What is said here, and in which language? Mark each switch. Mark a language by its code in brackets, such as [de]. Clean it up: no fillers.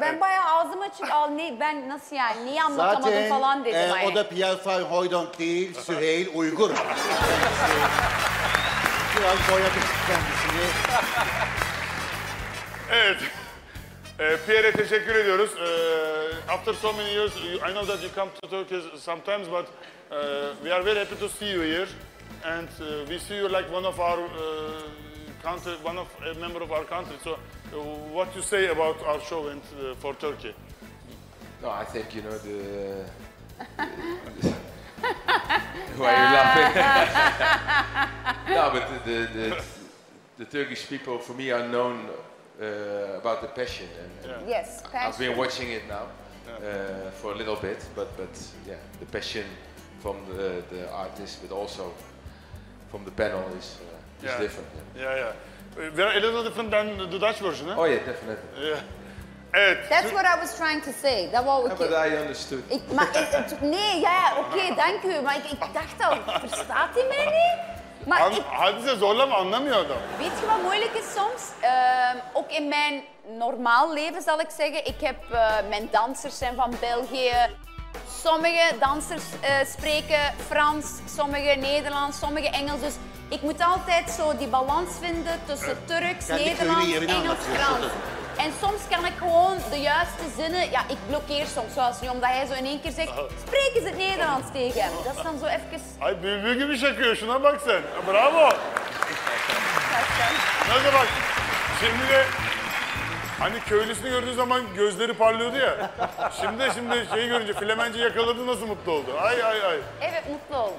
[tr] Ben bayağı ağzım açık, al ne, ben nasıl yani, niye anlatamadım zaten, falan dedim. Zaten o da Pierre Van Hooydonk değil, Süheyl Uygur. Biraz boyadık kendisini. Evet. Pierre'e teşekkür ediyoruz. [en] After so many years, I know that you come to Turkey sometimes, but we are very happy to see you here. And we see you like one of our... country, one of a member of our country. So, what you say about our show and for Turkey? No, I think you know the. Why are you laughing? No, but the Turkish people for me are known about the passion. And yes, passion. I've been watching it now for a little bit, but yeah, the passion from the artists, but also from the panel is. It's yeah. Different. Yeah. We're a little different than the Dutch version, eh? Oh yeah, definitely. Yeah. [tr] Evet. [en] That's what I was trying to say. That was okay. Yeah, but I understood. [nl] Nee, ja, [en] okay, thank you. [nl] Maar ik dacht al, verstaat hij mij niet? Hadden ze [tr] zorlam, anlamıyor adam. [nl] Weet je wat moeilijk is soms? Ook in mijn normaal leven zal ik zeggen. Ik heb mijn dansers zijn van België. Sommige dansers spreken Frans, sommige Nederlands, sommige Engels. Dus ik moet altijd zo die balans vinden tussen Turks, Nederlands, Engels, Frans. En soms kan ik gewoon de juiste zinnen... Ja, ik blokkeer soms, zoals nu, omdat hij zo in één keer zegt... Spreek eens het Nederlands tegen. Dat is dan zo even... [tr] Ay, büyü gibi şakıyor, şuna bak sen. Bravo. Nasıl bak? Şimdi de... Hani köylüsünü gördüğü zaman gözleri parlıyordu ya. Şimdi şeyi görünce Flemence yakaladı, nasıl mutlu oldu. Ay ay ay. Evet, mutlu oldum.